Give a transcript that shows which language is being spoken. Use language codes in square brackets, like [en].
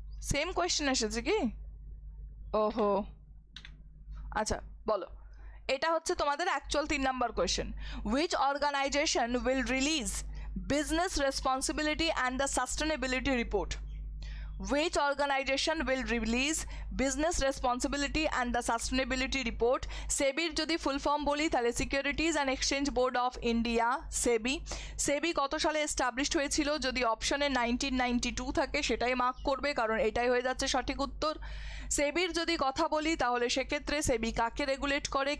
[bn] Same question এসেছে কি? ওহো আচ্ছা বলো, এটা হচ্ছে তোমাদের actual 3 number question. [en] Which organization will release business responsibility and the sustainability report? Which organization will release business responsibility and the sustainability report? [bn] SEBI-র যদি ফুল ফর্ম বলি তাহলে securities and exchange board of India, সেবি। সেবি কত সালে established হয়েছিল? যদি অপশনে 1992 থাকে সেটাই মার্ক করবে, কারণ এটাই হয়ে যাচ্ছে সঠিক উত্তর। সেবির যদি কথা বলি তাহলে সেক্ষেত্রে সেবি কাকে রেগুলেট করে?